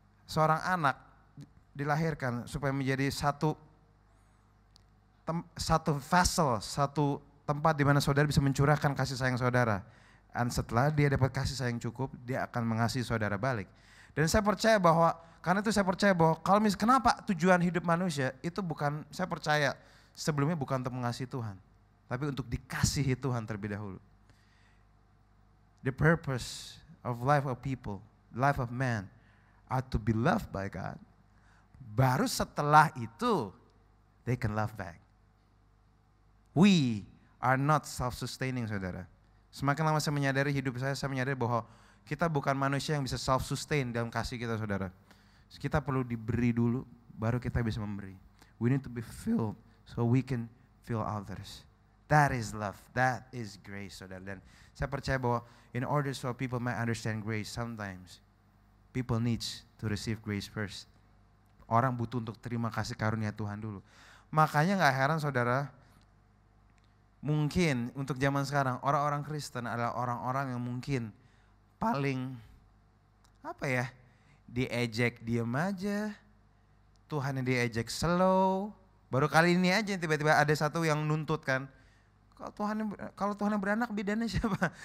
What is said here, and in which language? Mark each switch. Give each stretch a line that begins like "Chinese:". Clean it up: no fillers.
Indonesian: Seorang anak dilahirkan supaya menjadi satu vessel, satu tempat di mana saudara bisa mencurahkan kasih sayang saudara. Dan setelah dia dapat kasih sayang cukup, dia akan mengasihi saudara balik. Dan saya percaya bahwa, karena itu saya percaya bahwa, kenapa tujuan hidup manusia itu bukan, saya percaya sebelumnya bukan untuk mengasihi Tuhan, tapi untuk dikasihi Tuhan terlebih dahulu.
English: The purpose of life of people, life of man, are to be loved by God.
Indonesian: Baru setelah itu,
English: they can love back. We are not self-sustaining, saudara.
Indonesian: Semakin lama saya menyadari hidup saya menyadari bahwa kita bukan manusia yang bisa self-sustain dalam kasih kita, saudara. Kita perlu diberi dulu, baru kita bisa memberi.
English: We need to be filled so we can fill others. That is love, that is grace, saudara.
Indonesian: Dan saya percaya bahwa
English: in order so people may understand grace, sometimes people needs to receive grace first.
Indonesian: Orang butuh untuk terima kasih karunia Tuhan dulu. Makanya gak heran, saudara, mungkin untuk zaman sekarang, orang-orang Kristen adalah orang-orang yang mungkin paling, apa ya, diejek diem aja, Tuhan yang diejek slow, baru kali ini aja tiba-tiba ada satu yang nuntut kan, kalau Tuhan yang beranak, bidannya siapa?